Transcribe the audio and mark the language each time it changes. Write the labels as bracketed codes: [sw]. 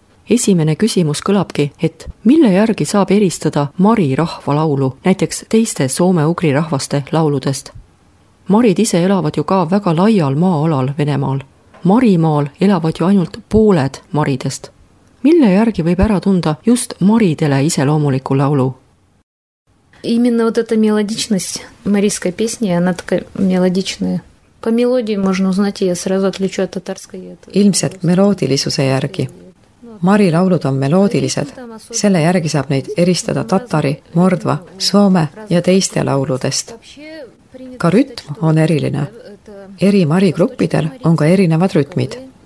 [et] Esimene küsimus kõlabki, et mille järgi saab eristada Mari rahvalaulu, näiteks teiste soome-ugri rahvaste lauludest? Marid ise elavad ju ka väga laial maa-alal Venemaal. Marimaal elavad ju ainult pooled maridest. Mille järgi võib ära tunda just maridele iseloomuliku laulu? [ru] Именно вот эта мелодичность марийской песни, она такая мелодичная. По мелодии можно узнать, я сразу отличу от татарской. [et] Ilmselt meloodilisuse järgi. Mari laulud on meloodilised. Selle järgi saab neid eristada tatari, mordva, soome ja teiste lauludest. Ka rütm on eriline. Eri Mari gruppidel on ka erinevad rütmid.